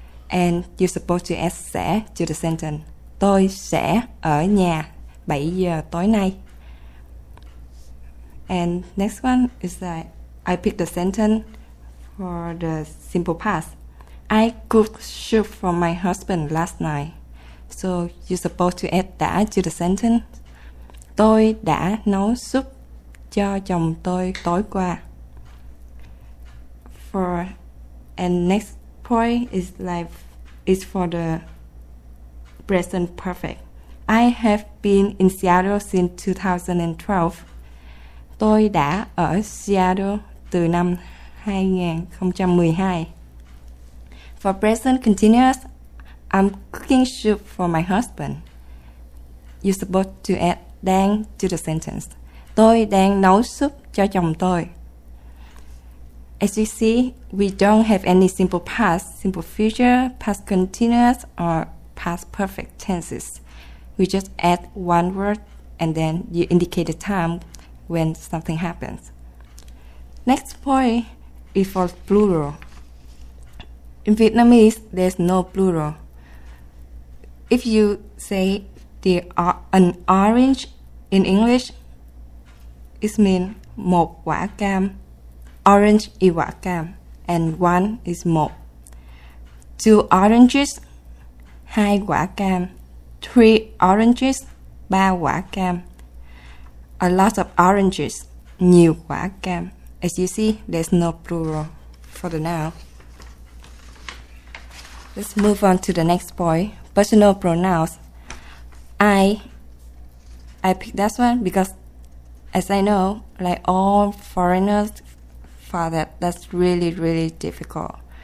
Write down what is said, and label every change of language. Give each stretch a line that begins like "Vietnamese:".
English: And you're supposed to add sẽ to the sentence.
Vietnamese: Tôi sẽ ở nhà 7 giờ tối nay.
English: And next one is that I pick the sentence for the simple past. I cooked soup for my husband last night. So you're supposed to add đã to the sentence.
Vietnamese: Tôi đã nấu soup cho chồng tôi tối qua.
English: For and next point is like is for the present perfect. I have been in Seattle since 2012.
Vietnamese: Tôi đã ở Seattle từ năm 2012.
English: For present continuous, I'm cooking soup for my husband. You're supposed to add đang to the sentence.
Vietnamese: Tôi đang nấu soup cho chồng tôi.
English: As you see, we don't have any simple past, simple future, past continuous, or past perfect tenses. We just add one word, and then you indicate the time when something happens. Next point is for plural. In Vietnamese, there's no plural. If you say the an orange in English, it means
Vietnamese: một quả cam.
English: Orange is
Vietnamese: quả cam,
English: and one is một. Two oranges,
Vietnamese: hai quả cam.
English: Three oranges,
Vietnamese: ba quả cam.
English: A lot of oranges,
Vietnamese: nhiều quả cam.
English: As you see, there's no plural for the noun. Let's move on to the next point. Personal pronouns. I picked that one because, as I know, like all foreigners find that that's really, really difficult.